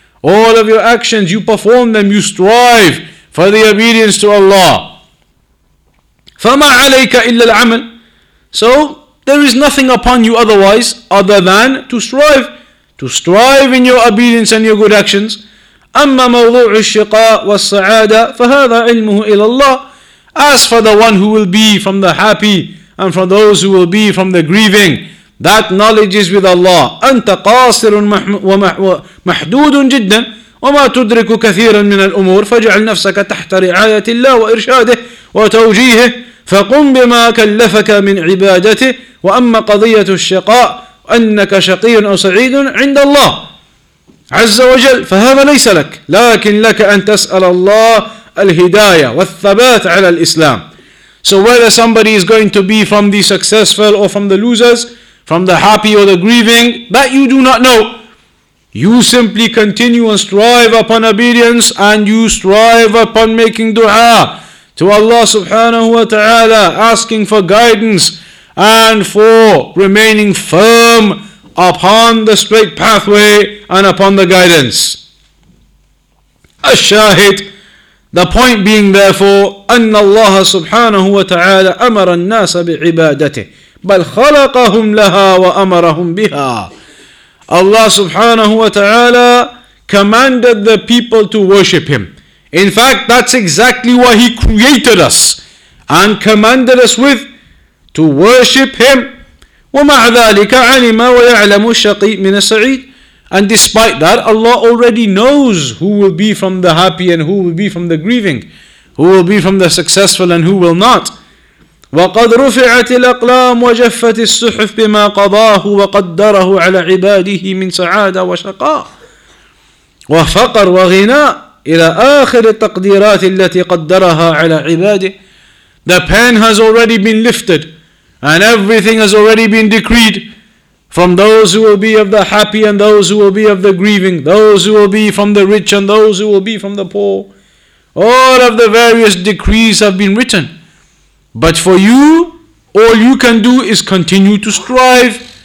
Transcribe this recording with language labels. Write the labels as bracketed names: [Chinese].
[English] All of your actions, you perform them, you strive for the obedience to Allah. [Arabic] فَمَا عَلَيْكَ إِلَّا الْعَمَلِ. [English] So, there is nothing upon you otherwise, other than to strive. To strive in your obedience and your good actions. [Arabic] أما موضوع الشقاء والسعادة فهذا علمه إلى الله. [English] As for the one who will be from the happy and for those who will be from the grieving, that knowledge is with Allah. [Arabic] أنت قاصر ومحدود جدا وما تدرك كثيرا من الأمور فاجعل نفسك تحت رعاية الله وإرشاده وتوجيهه فقم بما كلفك من عبادته. وأما قضية الشقاء أنك شقي أو سعيد عند الله عز وجل فهذا ليس لك, لكن لك أن تسأل الله الهداية والثبات على الإسلام. [English] So whether somebody is going to be from the successful or from the losers, from the happy or the grieving, that you do not know. You simply continue and strive upon obedience, and you strive upon making dua to Allah subhanahu wa ta'ala, asking for guidance and for remaining firm upon the straight pathway and upon the guidance. [Arabic] الشاهد, [English] the point being therefore, [Arabic] أن الله سبحانه وتعالى أمر الناس بعبادته بل خلقهم لها وأمرهم بها. [English] Allah [Arabic] سبحانه وتعالى [English] commanded the people to worship Him. In fact, that's exactly why He created us and commanded us with, to worship Him. [Arabic] ومع ذلك علم ويعلم الشقي من السعيد. [English] And despite that, Allah already knows who will be from the happy and who will be from the grieving, who will be from the successful and who will not. [Arabic] وقد رفعت الأقلام وجفت الصحف بما قضاه وقدره على عباده من سعادة وشقاء وفقر وغناء إلى آخر التقديرات التي قدرها على عباده. [English] The pen has already been lifted, and everything has already been decreed from those who will be of the happy and those who will be of the grieving, those who will be from the rich and those who will be from the poor. All of the various decrees have been written. But for you, all you can do is continue to strive.